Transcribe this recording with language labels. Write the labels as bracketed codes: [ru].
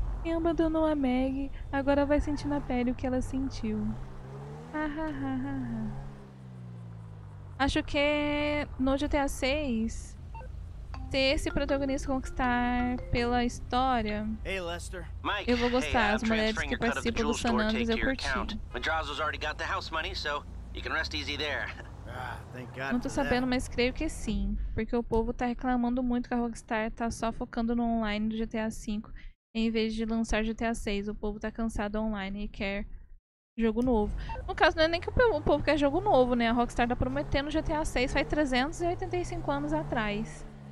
[pt] Quem abandonou a Maggie agora vai sentir na pele o que ela sentiu. Ha, ha, ha, ha, ha. Acho que no GTA 6, ter esse protagonista conquistar pela história, [en] hey, Lester. [pt] Mike, eu vou gostar. As mulheres que participam do San Andreas eu curti. [en] Madrazo's already got the house money, so you can rest easy there. [pt] Não tô sabendo, mas creio que sim. Porque o povo tá reclamando muito que a Rockstar tá só focando no online do GTA V em vez de lançar GTA VI. O povo tá cansado online e quer jogo novo. No caso, não é nem que o povo quer jogo novo, né? A Rockstar tá prometendo GTA VI faz 385 anos atrás.